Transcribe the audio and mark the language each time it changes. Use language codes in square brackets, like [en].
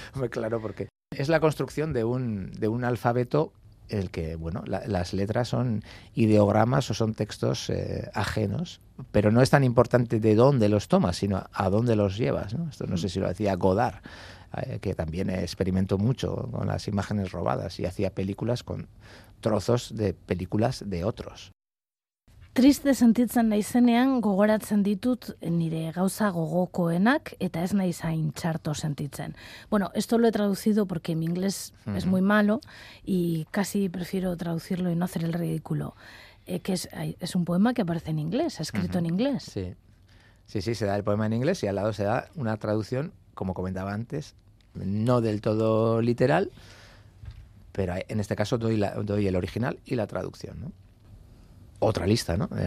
[es] Claro, porque es la construcción de un alfabeto en el que, bueno, las letras son ideogramas o son textos ajenos, pero no es tan importante de dónde los tomas, sino a dónde los llevas, ¿no? Esto no sé si lo decía Godard, que también experimentó mucho con las imágenes robadas y hacía películas con trozos de películas de otros. [eu] Triste sentitzen naizenean gogoratzen ditut nire gauza gogokoenak eta ez naiz hain txarto sentitzen. [es] Bueno, esto lo he traducido porque mi inglés es muy malo y casi prefiero traducirlo y no hacer el ridículo. Que es un poema que aparece en inglés, escrito en inglés. Sí, se da el poema en inglés y al lado se da una traducción, como comentaba antes, no del todo literal, pero en este caso doy el original y la traducción, ¿no? Otra lista, ¿no?